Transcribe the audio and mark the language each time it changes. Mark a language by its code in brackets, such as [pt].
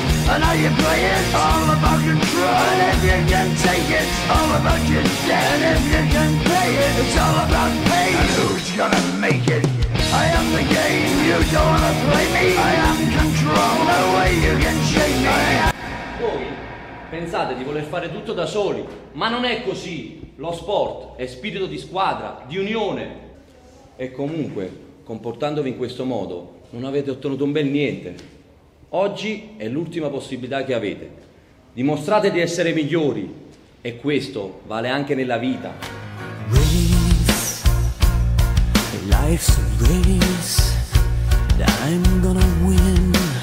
[en] And how you play it, all about control. And if you can take it, all about your debt. And if you can pay it, it's all about pain. And who's gonna make it? I am the game, you don't wanna play me. I am control, no way you can shake me. [it] Voi pensate di voler fare tutto da soli, ma non è così. Lo sport è spirito di squadra, di unione. E comunque, comportandovi in questo modo, non avete ottenuto un bel niente. Oggi è l'ultima possibilità che avete. Dimostrate di essere migliori e questo vale anche nella vita. [en] Race, life's a race, I'm gonna win.